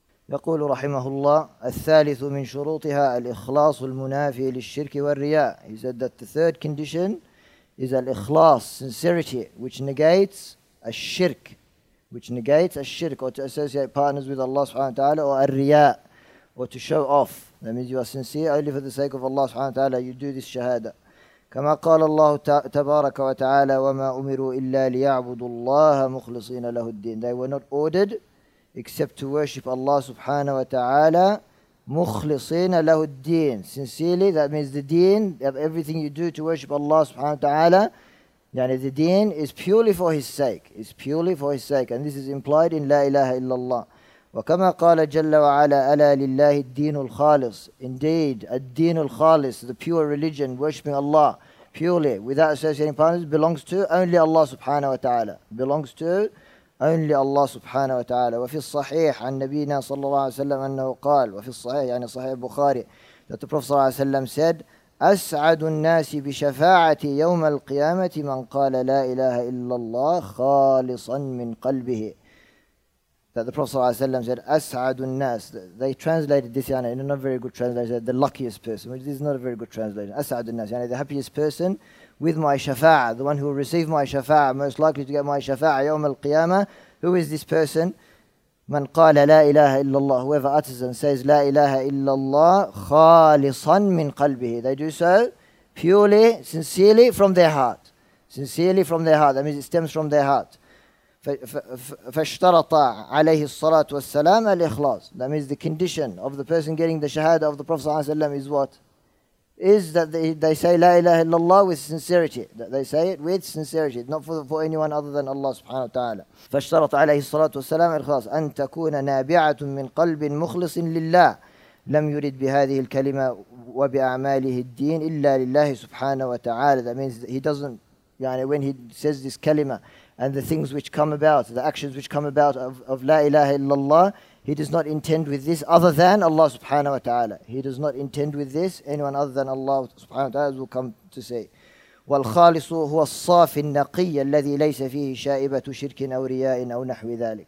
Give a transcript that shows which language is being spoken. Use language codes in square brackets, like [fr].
[ar] يقول رحمه الله الثالث من شروطها الإخلاص المنافي للشرك والرياء. [en] He said that the third condition is al-ikhlas, sincerity, which negates al-shirk. Which negates al-shirk, or to associate partners with Allah subhanahu wa ta'ala, or al-riyاء, or to show off. That means you are sincere only for the sake of Allah subhanahu wa ta'ala. You do this shahada. [ar] كما قال الله تبارك وتعالى وما أمروا إلا ليعبدوا الله مخلصين له الدين. [en] They were not ordered except to worship Allah [ar] سبحانه وتعالى مخلصين له الدين. [en] Sincerely, that means the deen, of everything you do to worship Allah [ar] سبحانه وتعالى. [en] يعني the deen is purely for His sake. It's purely for His sake. And this is implied in [ar] لا إله إلا الله. وكما قال جل وعلا ألا لله الدين الخالص. [en] Indeed, [ar] الدين الخالص, [en] the pure religion, worshipping Allah purely, without associating partners, belongs to only Allah [ar] سبحانه وتعالى. [en] Belongs to only Allah [ar] سبحانه وتعالى. وفي الصحيح عن نبينا صلى الله عليه وسلم أنه قال, وفي الصحيح يعني صحيح البخاري, [en] that the Prophet [ar] صلى الله عليه وسلم [en] said, [ar] أسعد الناس بشفاعة يوم القيامة من قال لا إله إلا الله خالصا من قلبه. [en] That the Prophet ﷺ said, "As'adu an-nas." They translated this in a not very good translation. The luckiest person, which is not a very good translation. As'adu an-nas, the happiest person with my shafa'a, the one who will receive my shafa'a, most likely to get my shafa'a, yawm al-qiyamah. Who is this person? [ar] Man qala la ilaha illallah. [en] Whoever utters and says la ilaha illallah, [ar] khalisan min qalbihi. [en] They do so purely, sincerely from their heart. Sincerely from their heart. That means it stems from their heart. [ar] فاشترط عليه الصلاة والسلام الإخلاص. [en] That means the condition of the person getting the shahada of the Prophet [ar] صلى الله عليه وسلم [en] is what? Is that they say [ar] لا إله إلا الله [en] with sincerity. That they say it with sincerity, not for anyone other than Allah [ar] سبحانه وتعالى. فاشترط عليه الصلاة والسلام الإخلاص أن تكون نابعة من قلب مخلص لله لم يرد بهذه الكلمة وبأعماله الدين إلا لله سبحانه وتعالى. [en] That means he doesn't, when he says this kalima, and the things which come about, the actions which come about of la ilaha illallah, he does not intend with this other than Allah subhanahu wa ta'ala. He does not intend with this anyone other than Allah subhanahu wa ta'ala, as we'll come to say. [ar] وَالْخَالِصُ هُوَ الصَّافِ النَّقِيَّ الَّذِي لَيْسَ فِيهِ شَائِبَةُ شِرْكٍ أَوْ رِيَاءٍ أَوْ نَحْوِ ذَلِكَ.